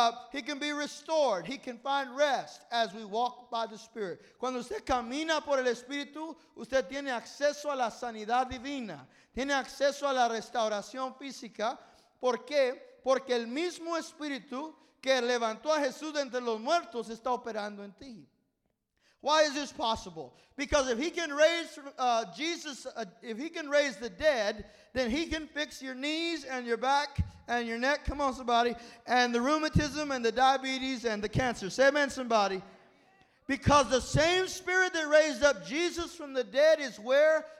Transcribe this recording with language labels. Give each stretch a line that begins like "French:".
English: He can be restored. He can find rest as we walk by the Spirit.
Spanish: Cuando usted camina por el Espíritu, usted tiene acceso a la sanidad divina. Tiene acceso a la restauración física. ¿Por qué? Porque el mismo Espíritu que levantó a Jesús de entre los muertos está operando en ti.
English: Why is this possible? Because if he can raise raise the dead, then he can fix your knees and your back and your neck. Come on, somebody. And the rheumatism and the diabetes and the cancer. Say amen, somebody. Because the same Spirit that raised up Jesus from the dead is where?